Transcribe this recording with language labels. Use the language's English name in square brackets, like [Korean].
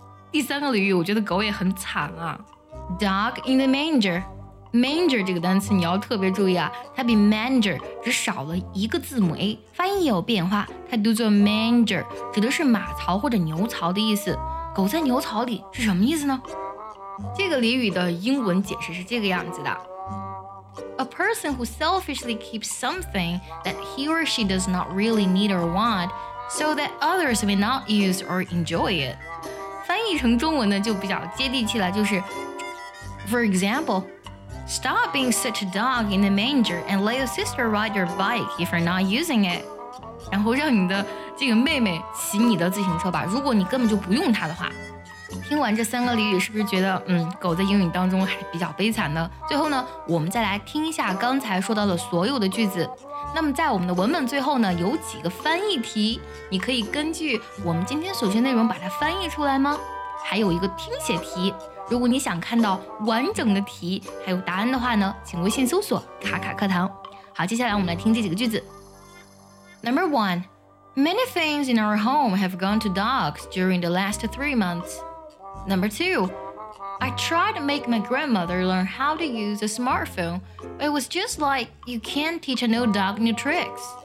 [Chinese] 第三个俚语，我觉得狗也很惨啊， Dog in the manger. Manger 这个单词你要特别注意啊，它比 manger 只少了一个字母 A， 发音也有变化，它读作 manger， 指的是马槽或者牛槽的意思。狗在牛槽里是什么意思呢？ [English] 这个俚语的英文解释是这个样子的， A person who selfishly keeps something that he or she does not really need or want so that others may not use or enjoy it. 翻译成中文呢就比较接地气了，就是 For example, stop being such a dog in the manger and let your sister ride your bike if you're not using it. [Chinese] 然后让你的这个妹妹骑你的自行车吧，如果你根本就不用它的话。听完这三个俚语，是不是觉得狗在英语当中还比较悲惨呢？最后呢，我们再来听一下刚才说到的所有的句子。那么在我们的文本最后呢，有几个翻译题，你可以根据我们今天所学内容把它翻译出来吗？还有一个听写题，如果你想看到完整的题还有答案的话呢，请微信搜索卡卡课堂。好，接下来我们来听这几个句子。 [English] Number one, many things in our home have gone to dogs during the last 3 months. Number two, I tried to make my grandmother learn how to use a smartphone, but it was just like you can't teach an old dog new tricks.